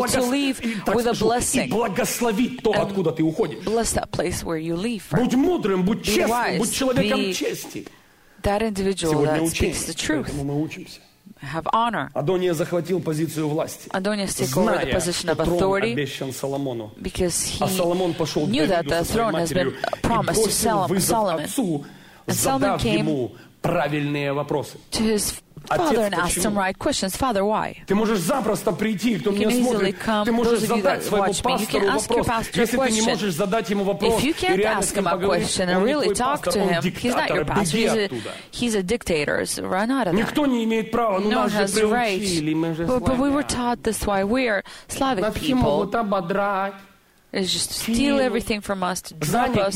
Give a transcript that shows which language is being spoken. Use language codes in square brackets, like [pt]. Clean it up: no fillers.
[ru] благословением и благословить то, откуда ты уходишь. Будь мудрым, будь честным, будь человеком. [en] Be that individual that speaks the truth. Have honor. [ru] Адония захватил позицию власти. [en] Adonis took over the position of authority. Because he knew that the throne has been promised to Solomon. And Solomon came [ru] правильные вопросы. [en] To his father and asked him right questions. Father, why? [ru] Ты можешь запросто прийти, кто меня смотрит. Ты можешь задать своему пастору вопрос. Если ты не можешь задать ему вопрос, [en] if you can't ask him a question and really talk to him, he's not your pastor. He's a dictator. So run out of there. [ru] Никто не имеет права. [en] No one has the right. But we were taught this way. We are Slavic people. It's just to steal everything from us, to drop us.